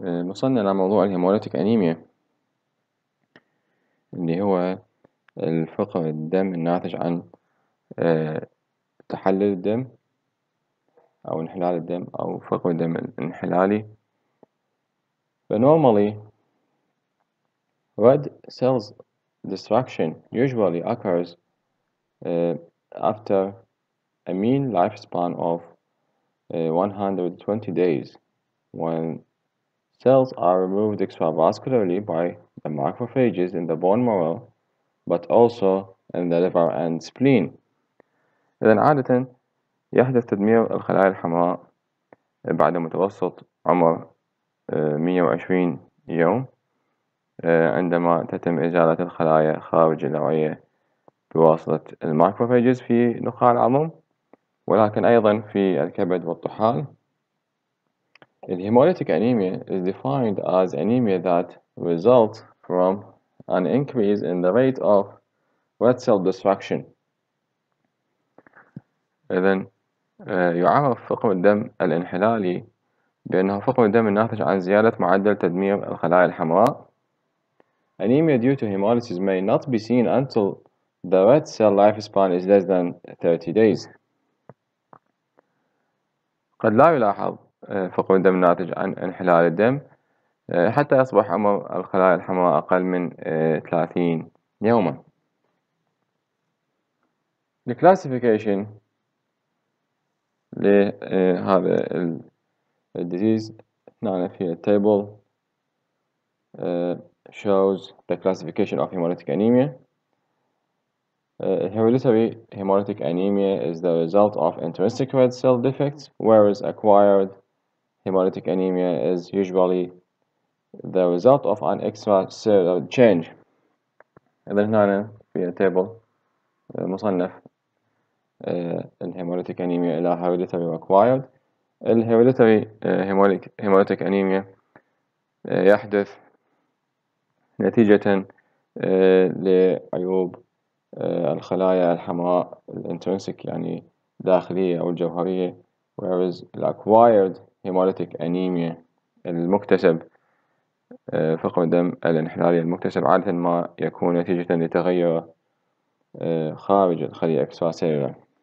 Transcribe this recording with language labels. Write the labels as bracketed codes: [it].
[ar] وصلنا إلى موضوع الهيموليتيك أنيميا، اللي هو الفقر الدم الناتج عن تحلل الدم أو انحلال الدم أو فقر الدم الانحلالي. [en] فنورمالي red cells destruction usually occurs after a mean lifespan of 120 days when cells are removed extravascularly by the macrophages in the bone marrow but also in the liver and spleen. [ar] إذن عادة يحدث تدمير الخلايا الحمراء بعد متوسط عمر 120 يوم عندما تتم إزالة الخلايا خارج الأوعية بواسطة الماكروفاجز في نخاع العظم، ولكن أيضا في الكبد والطحال. [en] The hemolytic anemia is defined as anemia that results from an increase in the rate of red cell destruction. [ar] إذن يعرف فقر الدم الانحلالي بأنه فقر الدم الناتج عن زيادة معدل تدمير الخلايا الحمراء. [en] Anemia due to hemolysis may not be seen until the red cell lifespan is less than 30 days. [ar] قد لا يلاحظ فقر الدم الناتج عن انحلال الدم حتى يصبح عمر الخلايا الحمراء أقل من 30 يوما. [en] The classification [ar] لهذا الديزيز هنا في التابل [en] shows the classification of hemolytic anemia. Hereditary hemolytic anemia is the result of intrinsic red cell defects, whereas acquired hemolytic anemia is usually the result of an extracellular change. [ar] إذن هنا في التابل مصنف الهيموليتيك أنيميا إلى هيريديتري وأكوايرد. الهيريديتري هيموليتيك أنيميا يحدث نتيجة لعيوب الخلايا الحمراء الانترنسك يعني داخلية أو الجوهرية، whereas الأكوايرد هيموليتيك أنيميا المكتسب فقر الدم الانحلالي المكتسب عادة ما يكون نتيجة لتغير خارج الخلية اكستراسيلولار.